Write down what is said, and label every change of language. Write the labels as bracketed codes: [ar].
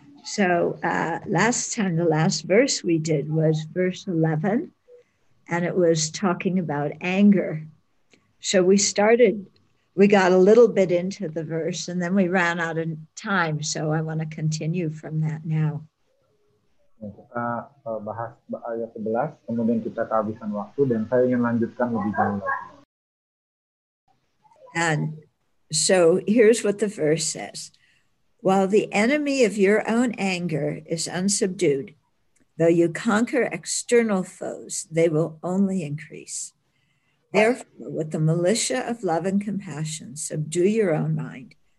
[en] So last time, the last verse we did was verse 11, and it was talking about anger. So we got a little bit into the verse, and then we ran out of time. So I want to continue from that now. [id] Kita bahas ayat 11, kemudian kita kehabisan waktu, dan saya ingin lanjutkan lebih jauh lagi. [en] And so here's what the verse says. While the enemy of your own anger is unsubdued, though you conquer external foes, they will only increase. Therefore, with the militia of love and compassion, subdue your own mind.